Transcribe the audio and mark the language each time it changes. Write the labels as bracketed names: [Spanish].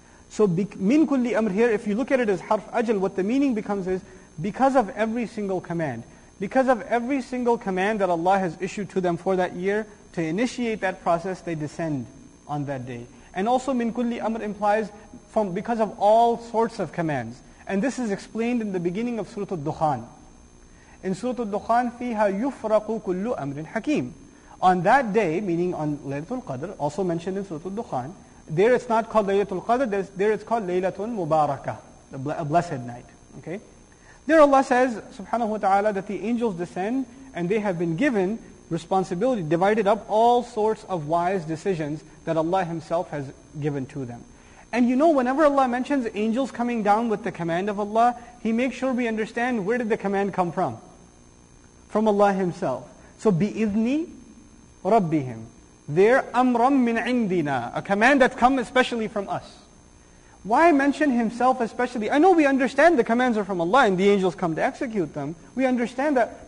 [English] So min kulli amr here, if you look at it as harf ajal, what the meaning becomes is, because of every single command. Because of every single command that Allah has issued to them for that year, to initiate that process, they descend on that day. And also, min kulli amr implies because of all sorts of commands. And this is explained in the beginning of Surah Al-Dukhan. [Arabic] In Surah Al-Dukhan, فِيهَا يُفْرَقُ كُلُّ أَمْرٍ حَكِيمٍ. [English] On that day, meaning on Laylatul Qadr, also mentioned in Surah Al-Dukhan, there it's not called Laylatul Qadr, there it's called Laylatul Mubarakah, a blessed night. Okay? There Allah says, subhanahu wa ta'ala, that the angels descend and they have been given responsibility, divided up all sorts of wise decisions that Allah Himself has given to them. And you know, whenever Allah mentions angels coming down with the command of Allah, He makes sure we understand, where did the command come from? From Allah Himself. [Arabic] So, بِإِذْنِ رَبِّهِمْ. [English] They're [Arabic] أَمْرًا مِّنْ عِنْدِنَا. [English] A command that's come especially from us. Why mention Himself especially? I know we understand the commands are from Allah and the angels come to execute them. We understand that.